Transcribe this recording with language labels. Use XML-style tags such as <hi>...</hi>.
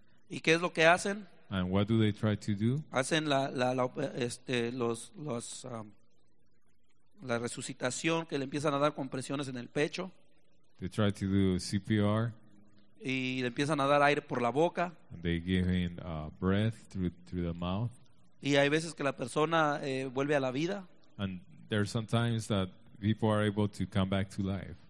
<es>¿Y qué es lo que hacen?</es> <en>And what do they try to do?</en> <es>Hacen la resucitación, que le empiezan a dar compresiones en el pecho.</es> <en>They try to do CPR.</en> <es>Y le empiezan a dar aire por la boca.</es> <en>And they give him breath through the mouth.</en> <es>Y hay veces que la persona vuelve a la vida.</es> <en>And there are some times that people are able to come back to life.</en>